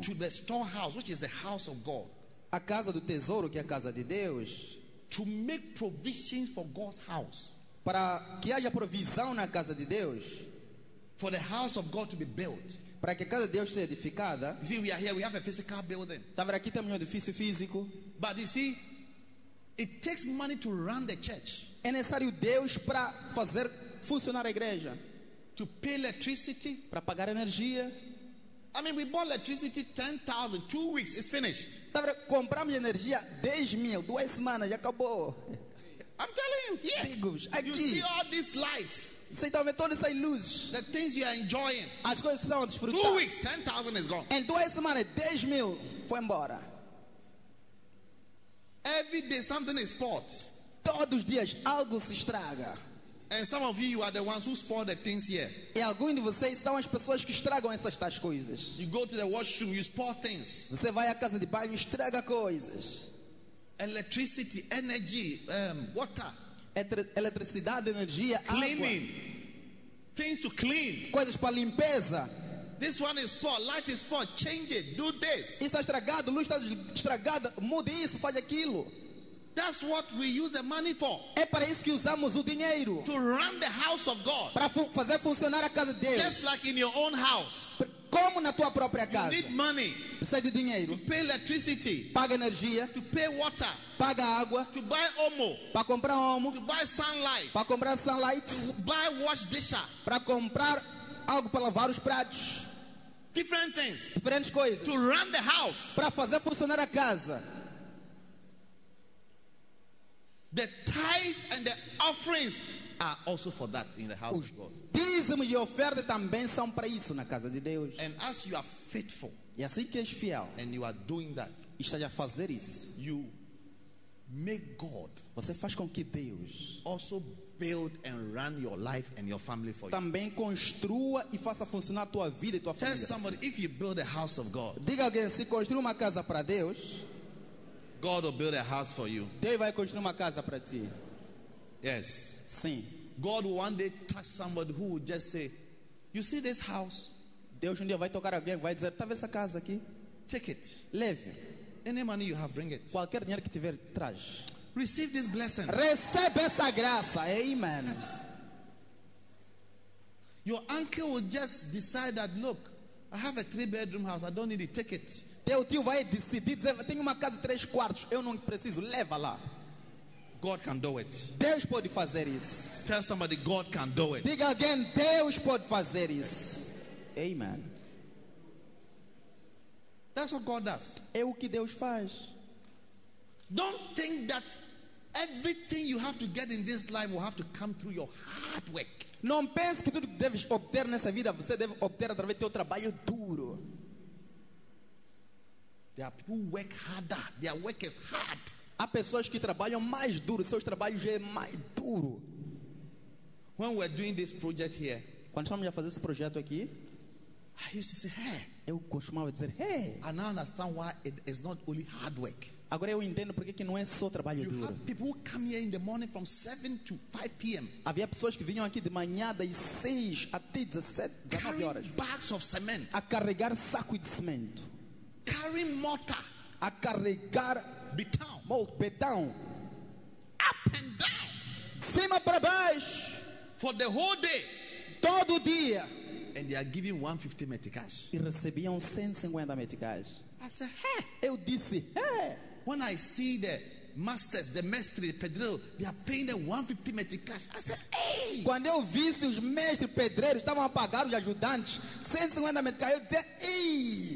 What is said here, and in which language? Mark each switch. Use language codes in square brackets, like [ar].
[en] to the storehouse, which is the house of God, [pt] a casa do tesouro que é a casa de Deus, [en] to make provisions for God's house, [pt] para que haja provisão na casa de Deus, [en] for the house of God to be built, [pt] para que a casa de Deus seja edificada. [en] You see, we are here. We have a physical building. [pt] Tá vendo aqui temos edifício físico. [en] But you see, it takes money to run the church. [pt] É necessário Deus para fazer funcionar a igreja. [en] To pay electricity. [pt] Para pagar energia. [en] I mean, we bought electricity 10,000. 2 weeks, it's finished. [pt] Tá vendo? Compramos energia 10 mil. 2 semanas, já acabou. [en] I'm telling you. Yeah. [pt] Amigos, aqui. [en] You see all these lights. [pt] Você está vendo todas essas luzes. [en] The things you are enjoying. [pt] As coisas estão a desfrutar. [en] 2 weeks, 10,000 is gone. [pt] Em 2 semanas, 10 mil foi embora. [en] Every day something is spot. [pt] Todos os dias algo se estraga. [en] And some of you are the ones who spoil the things here. [pt] E alguns de vocês são as pessoas que estragam essas tais coisas. [en] You go to the washroom, you spoil things. [pt] Você vai à casa de banho e estraga coisas. [en] Electricity, energy, water. [pt] Eletricidade, energia, [en] cleaning. [pt] Água. [en] Things to clean. [pt] Coisas para limpeza. [en] This one is spoiled. Light is spoiled. Change it. Do this. [pt] Está estragado. Luz está estragada. Mude isso. Faz aquilo. [en] That's what we use the money for. [pt] É para isso que usamos o dinheiro. [en] To run the house of God. [pt] Para fazer funcionar a casa de Deus. [en] Just like in your own house. [pt] Como na tua própria casa. [en] You need money. [pt] Precisa de dinheiro. [en] To pay electricity. [pt] Paga energia. [en] To pay water. [pt] Paga água. [en] To buy omo. [pt] Para comprar omo. [en] To buy sunlight. [pt] Para comprar sunlight. [en] To buy wash dishes. [pt] Para comprar algo para lavar os pratos. [en] Different things. [pt] Diferentes coisas. [en] To run the house. [pt] Para fazer funcionar a casa. [en] The tithe and the offerings are also for that in the house of God. [pt] Dízimos e oferta também são para isso na casa de Deus. [en] And as you are faithful, [pt] e assim que és fiel, [en] and you are doing that, [pt] está a fazer isso, [en] you make God, [pt] você faz com que Deus [en] also build and run your life and your family for you. [pt] Também construa e faça funcionar tua vida e tua família. [en] Tell somebody if you build a house of God. [pt] Diga alguém se construir uma casa para Deus. [en] God will build a house for you. [pt] Deus vai construir uma casa para ti. [en] Yes. [pt] Sim. [en] God will one day touch somebody who will just say, "You see this house?" [pt] Deus um dia vai tocar alguém, vai dizer, "Tá vendo essa casa aqui? [en] Take it. [pt] Leve. [en] Any money you have, bring it. [pt] Qualquer dinheiro que tiver, traz. [en] Receive this blessing. [pt] Receba essa graça. Amen. [en] Yes. Your uncle will just decide that, look, I have a 3-bedroom house. I don't need it. Take it. [pt] Teu tio vai decidir, dizer, tenho uma casa de 3 quartos, eu não preciso, leva lá. [en] God can do it. [pt] Deus pode fazer isso. [en] Tell somebody God can do it. [pt] Diga alguém, Deus pode fazer isso. Amen. [en] That's what God does. [pt] É o que Deus faz. [en] Don't think that everything you have to get in this life will have to come through your hard work. [pt] Não pense que tudo que deves obter nessa vida, você deve obter através do teu trabalho duro. [en] There are people who work harder. Their work is hard. [pt] Há pessoas que trabalham mais duro. Seus trabalhos é mais duro. [en] When we're doing this project here, [pt] quando estamos a fazer esse projeto aqui, [en] I used to say, hey. [pt] Eu costumava dizer, hey. [en] I now understand why it is not only hard work. [pt] Agora eu entendo porque que não é só trabalho you duro. [en] You have people who come here in the morning from 7 to 5 p.m. [pt] Havia pessoas que vinham aqui de manhã das 6 até 19 horas. [en] Bags of cement. [pt] A carregar saco de cimento. [en] Carry mortar. [pt] A carregar betão. Betão. [en] Up and down. [pt] De cima para baixo. [en] For the whole day. [pt] Todo dia. [en] And they are giving 150 meticais. [pt] E recebiam 150 meticais. [en] I said, hey. [pt] Eu disse, hey. [en] When I see the masters, the mestre, the pedreiro, they are paying them 150 meticais. I said, hey. [pt] Quando eu vi os mestres pedreiros estavam a pagar os ajudantes 150 meticais, eu disse, hey.